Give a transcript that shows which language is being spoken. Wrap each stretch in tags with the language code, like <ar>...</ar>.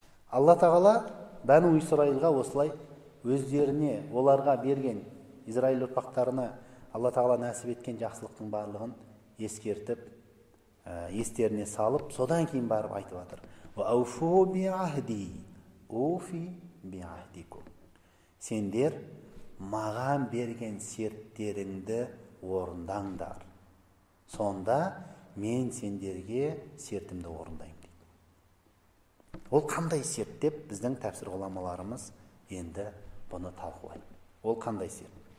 <kk>Алла Тағала Бәну Исраилға осылай өздеріне, оларға берген Израиль ұрпақтарына Алла Тағала нәсіп еткен жақсылықтың барлығын ескертіп, естеріне салып, содан кейін барып айтып отыр.</kk> <ar>Уфу би ахди, уфи би ахдикум.</ar> <kk>Сендер маған берген серттеріңді орындаңдар. Сонда мен сендерге сертімді орындаймын дейді. Ол қандай серт деп біздің тәпсір ғұламаларымыз енді бұны талқылайды. Ол қандай серт?</kk>